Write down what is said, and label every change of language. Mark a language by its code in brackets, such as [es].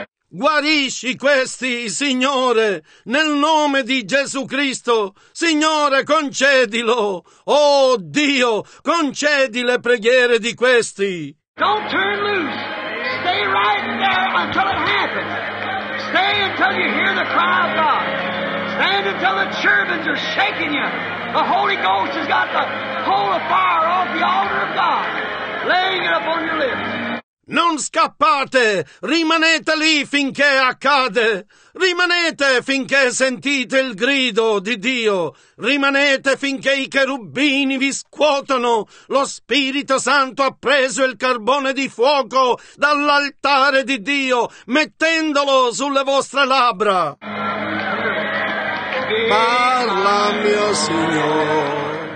[it] Guarisci questi, Signore, nel nome di Gesù Cristo. Signore, concedilo. Oh, Dio, concedi le preghiere di questi. [en] Don't turn loose. Stay right there until it happens. Stay until you hear the cry of God. And until the cherubims are shaking you, the Holy Ghost has got the coal of fire off the altar of God, laying it upon your lips. [it] Non scappate, rimanete lì finché accade, rimanete finché sentite il grido di Dio, rimanete finché i cherubini vi scuotono, lo Spirito Santo ha preso il carbone di fuoco dall'altare di Dio, mettendolo sulle vostre labbra. Parla, mio Signore.